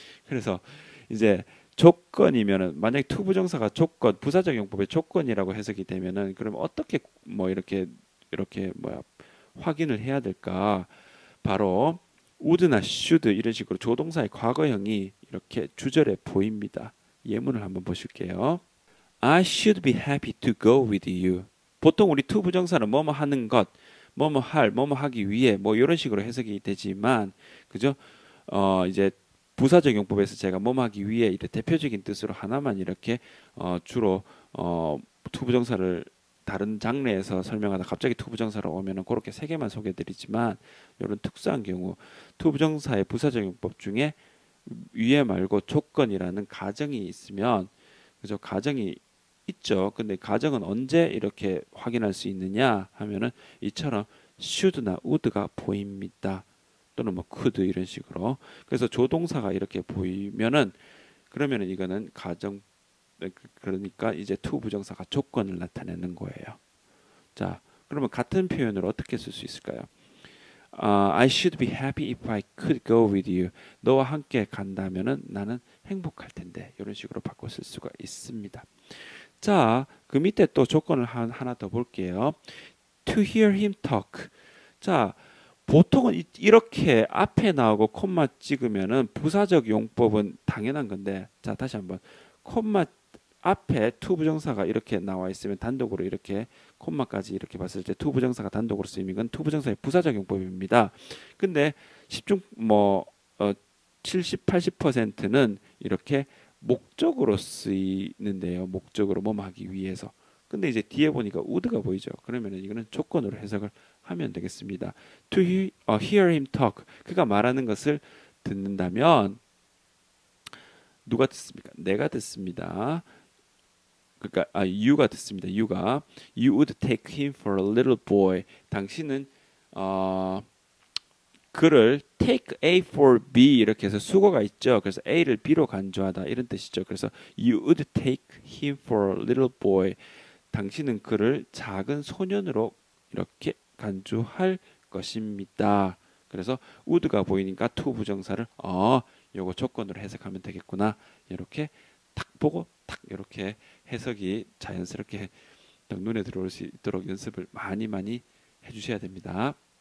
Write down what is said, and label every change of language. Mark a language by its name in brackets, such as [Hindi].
[Korean] 그래서 이제 조건이면은 만약에 to 부정사가 조건, 부사적 용법의 조건이라고 해석이 되면은 그럼 어떻게 뭐 이렇게 뭐야 확인을 해야 될까? 바로 would나 should 이런 식으로 조동사의 과거형이 이렇게 주절에 보입니다. 예문을 한번 보실게요. [English] I should be happy to go with you. [Korean] 보통 우리 to 부정사는 뭐뭐 하는 것, 뭐뭐 할, 뭐뭐 하기 위해 뭐 이런 식으로 해석이 되지만 그죠? 이제 부사적 용법에서 제가 뭐뭐 하기 위해 이렇게 대표적인 뜻으로 하나만 이렇게 주로 to 부정사를 다른 장르에서 설명하다 갑자기 to 부정사로 오면은 그렇게 세 개만 소개드리지만 이런 특수한 경우 to 부정사의 부사적 용법 중에 위에 말고 조건이라는 가정이 있으면 그죠? 가정이 있죠. 근데 가정은 언제 이렇게 확인할 수 있느냐 하면은 이처럼 should나 would가 보입니다. 또는 뭐 could 이런 식으로 그래서 조동사가 이렇게 보이면은 그러면은 이거는 가정 그러니까 이제 to 부정사가 조건을 나타내는 거예요. 자, 그러면 같은 표현으로 어떻게 쓸수 있을까요? [English] I should be happy if I could go with you. [Korean] 너와 함께 간다면은 나는 행복할 텐데 이런 식으로 바꿔 쓸 수가 있습니다. 자, 그 밑에 또 조건을 하나 더 볼게요. [English] To hear him talk. [Korean] 자, 보통은 이렇게 앞에 나오고 콤마 찍으면은 부사적 용법은 당연한 건데, 자 다시 한번 콤마 앞에 to 부정사가 이렇게 나와 있으면 단독으로 이렇게 콤마까지 이렇게 봤을 때 to 부정사가 단독으로 쓰이는 건 to 부정사의 부사적 용법입니다. 근데 10중 뭐 70, 80%는 이렇게 목적으로 쓰이는데요. 목적으로 뭐 하기 위해서. 근데 이제 뒤에 보니까 would가 보이죠. 그러면은 이거는 조건으로 해석을 하면 되겠습니다. [English] To hear him talk. [Korean] 그가 말하는 것을 듣는다면 누가 듣습니까? 내가 듣습니다. 그러니까 you가 듣습니다. [English] You가 you would take him for a little boy. [Korean] 당신은 그를 [English] take A for B [Korean] 이렇게 해서 수거가 있죠. 그래서 A를 B로 간주하다 이런 뜻이죠. [English] 그래서 you would take him for a little boy. [Korean] 당신은 그를 작은 소년으로 이렇게 간주할 것입니다. 그래서 would가 보이니까 to 부정사를 요거 조건으로 해석하면 되겠구나. 이렇게 탁 보고 탁 이렇게 해석이 자연스럽게 딱 눈에 들어올 수 있도록 연습을 많이 많이 해주셔야 됩니다.